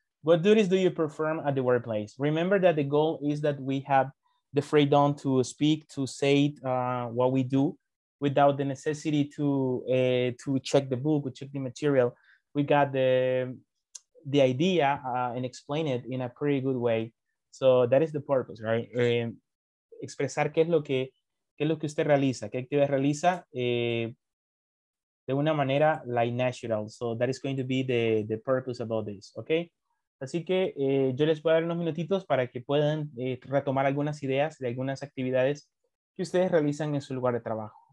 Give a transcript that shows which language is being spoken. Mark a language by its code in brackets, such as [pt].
[en] What duties do you perform at the workplace? Remember that the goal is that we have the freedom to speak, to say what we do without the necessity to check the book or check the material. We got the idea and explain it in a pretty good way. So that is the purpose, right? [es] Expresar qué es lo que usted realiza, qué actividad realiza de una manera like natural. [en] So that is going to be the purpose about this, okay? [es] Así que yo les voy a dar unos minutitos para que puedan retomar algunas ideas de algunas actividades que ustedes realizan en su lugar de trabajo.